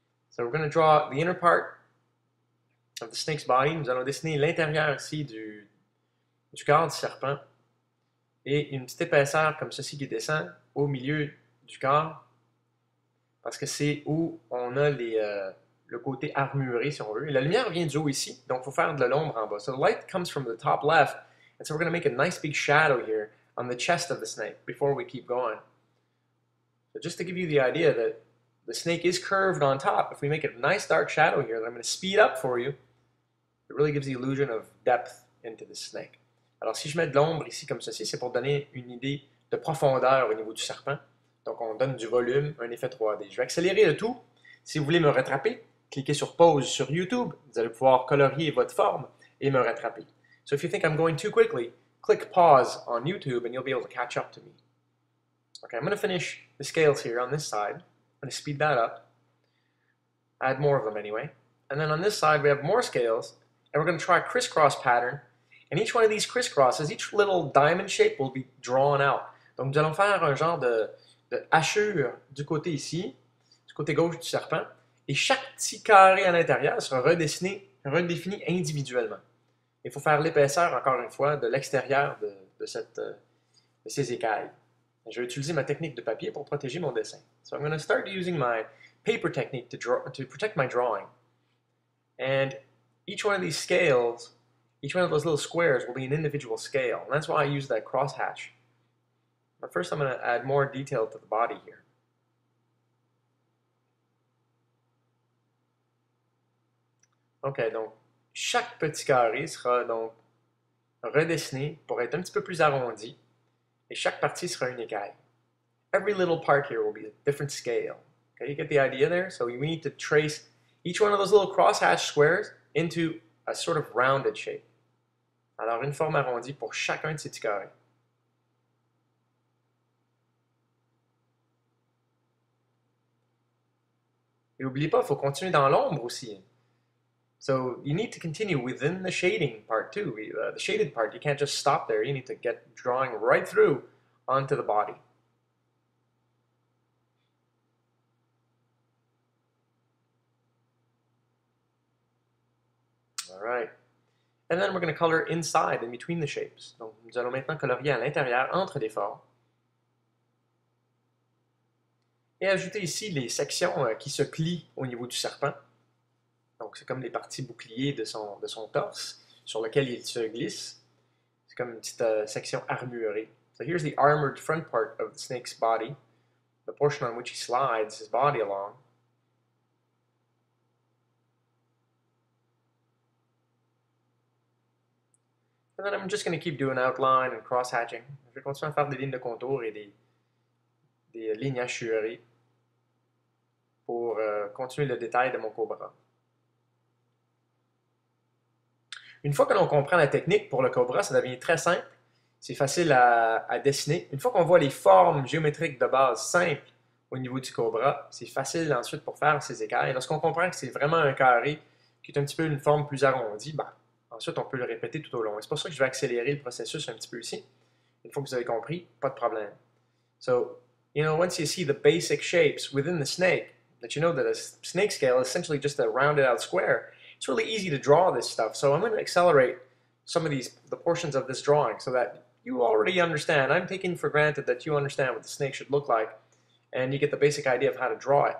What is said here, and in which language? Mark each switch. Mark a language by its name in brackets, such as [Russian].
[English] So we're going to draw the inner part of the snake's body. [French] Nous allons dessiner l'intérieur ici du corps du serpent et une petite épaisseur comme ceci qui descend au milieu du corps parce que c'est où on a le côté armuré si on veut. Et la lumière vient du haut ici, donc il faut faire de l'ombre en bas. [English] So the light comes from the top left. And so we're going to make a nice big shadow here on the chest of the snake before we keep going. So just to give you the idea that the snake is curved on top, if we make a nice dark shadow here that I'm going to speed up for you, it really gives the illusion of depth into the snake. [French] Alors si je mets de l'ombre ici comme ceci, c'est pour donner une idée de profondeur au niveau du serpent. Donc on donne du volume, un effet 3D. Je vais accélérer le tout. Si vous voulez me rattraper, cliquez sur pause sur YouTube. Vous allez pouvoir colorier votre forme et me rattraper. [English] So if you think I'm going too quickly, click pause on YouTube and you'll be able to catch up to me. Okay, I'm going to finish the scales here on this side. I'm going to speed that up. Add more of them anyway. And then on this side, we have more scales. And we're going to try a crisscross pattern. And each one of these crisscrosses, each little diamond shape will be drawn out. [French] Donc nous allons faire un genre de hachure du côté ici, du côté gauche du serpent. Et chaque petit carré à l'intérieur sera redéfini individuellement. Il faut faire l'épaisseur, encore une fois, de l'extérieur de ces écailles. Et je vais utiliser ma technique de papier pour protéger mon dessin. [English] So I'm going to start using my paper technique to protect my drawing. And each one of these scales, each one of those little squares will be an individual scale. And that's why I use that crosshatch. But first I'm going to add more detail to the body here. [French] Okay, donc chaque petit carré sera donc redessiné pour être un petit peu plus arrondi et chaque partie sera une écaille. [English] Every little part here will be a different scale. Okay, you get the idea there? So we need to trace each one of those little crosshatch squares into a sort of rounded shape. [French] Alors une forme arrondie pour chacun de ces petits carrés. Et n'oubliez pas, il faut continuer dans l'ombre aussi. [English] So you need to continue within the shading part too, the shaded part. You can't just stop there. You need to get drawing right through onto the body. All right. And then we're going to color inside, in between the shapes. [French] Donc nous allons maintenant colorier à l'intérieur, entre les formes. Et ajouter ici les sections qui se plient au niveau du serpent. Donc, c'est comme les parties boucliers de son torse sur lequel il se glisse. C'est comme une petite section armurée. [English] So here's the armored front part of the snake's body, the portion on which he slides his body along. And then I'm just going to keep doing outline and cross-hatching. [French] Je vais continuer à faire des lignes de contour et des lignes hachurées pour continuer le détail de mon cobra. Une fois que l'on comprend la technique pour le cobra, ça devient très simple. C'est facile à dessiner. Une fois qu'on voit les formes géométriques de base simples au niveau du cobra, c'est facile ensuite pour faire ses écailles. Lorsqu'on comprend que c'est vraiment un carré qui est un petit peu une forme plus arrondie, ben, ensuite on peut le répéter tout au long. Et c'est pour ça que je vais accélérer le processus un petit peu ici. Une fois que vous avez compris, pas de problème. [English] So, you know, once you see the basic shapes within the snake, that you know that a snake scale is essentially just a rounded out square, it's really easy to draw this stuff. So I'm going to accelerate some of the portions of this drawing so that you already understand. I'm taking for granted that you understand what the snake should look like and you get the basic idea of how to draw it.